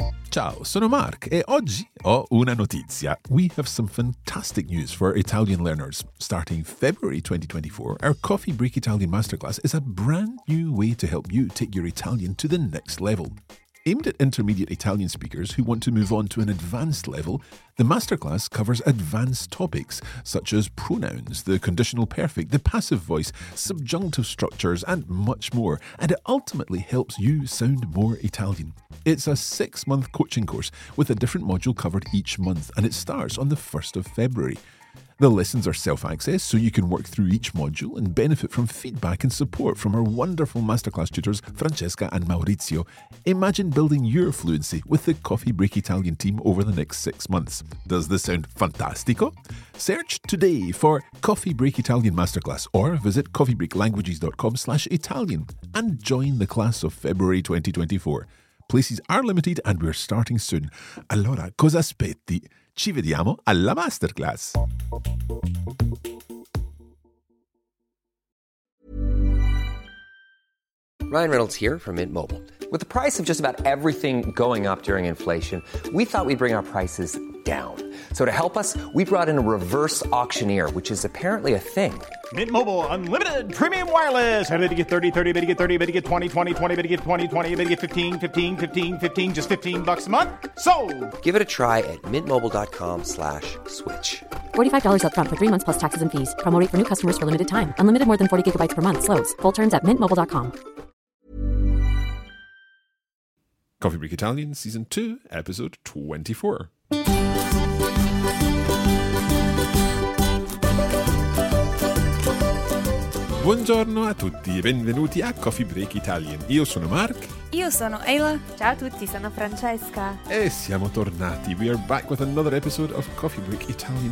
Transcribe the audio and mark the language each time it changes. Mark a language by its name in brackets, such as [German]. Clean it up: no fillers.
[Italian] Ciao, sono Mark e oggi ho una notizia. [English] We have some fantastic news for Italian learners. Starting February 2024, our Coffee Break Italian Masterclass is a brand new way to help you take your Italian to the next level. Aimed at intermediate Italian speakers who want to move on to an advanced level, the masterclass covers advanced topics such as pronouns, the conditional perfect, the passive voice, subjunctive structures, and much more, and it ultimately helps you sound more Italian. It's a six-month coaching course with a different module covered each month, and it starts on the 1st of February. The lessons are self-access, so you can work through each module and benefit from feedback and support from our wonderful masterclass tutors, Francesca and Maurizio. Imagine building your fluency with the Coffee Break Italian team over the next 6 months. Does this sound fantastico? Search today for Coffee Break Italian Masterclass or visit coffeebreaklanguages.com/Italian and join the class of February 2024. Places are limited and we're starting soon. [Italian] Allora, cosa aspetti? Ci vediamo alla masterclass. [English] Ryan Reynolds here from Mint Mobile. With the price of just about everything going up during inflation, we thought we'd bring our prices down. So to help us, we brought in a reverse auctioneer, which is apparently a thing. Mint Mobile Unlimited Premium Wireless. How to get 30, 30, how to get 30, how to get 20, 20, 20, how to get 20, 20, how to get 15, 15, 15, 15, just $15 a month? Sold! Give it a try at mintmobile.com/switch. $45 up front for 3 months plus taxes and fees. Promo rate for new customers for limited time. Unlimited more than 40 gigabytes per month. Slows full terms at mintmobile.com. Coffee Break Italian, Season 2, Episode 24. [Italian] Buongiorno a tutti e benvenuti a Coffee Break Italian. Io sono Mark. Io sono Ayla. Ciao a tutti, sono Francesca. E siamo tornati. [English] We are back with another episode of Coffee Break Italian.